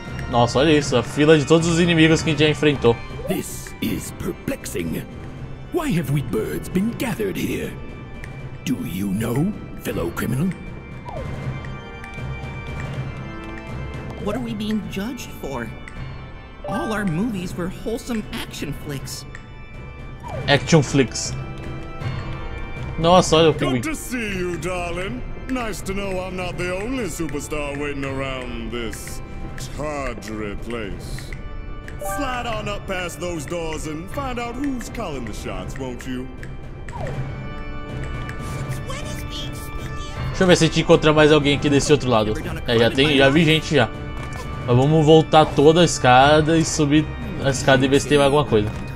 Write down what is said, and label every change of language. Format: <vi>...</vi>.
<pt>Nossa, olha isso, a fila de todos os inimigos que a gente já enfrentou.</pt> <en>This is perplexing. Why have we birds been gathered here? Do you know, fellow criminal? What are we being judged for? All our movies were wholesome action flicks. Action flicks.</en> <pt>Nossa, olha o que</pt> <en>we... Good to see you, darling. Nice to know I'm not the only superstar waiting around this tawdry place. Slide on up past those doors and find out who's calling the shots, won't you?</en> <pt>Deixa eu ver se a gente encontra mais alguém aqui desse outro lado. É, já tem, já vi gente já. Mas vamos voltar toda a escada e subir a escada e ver se tem alguma coisa.</pt>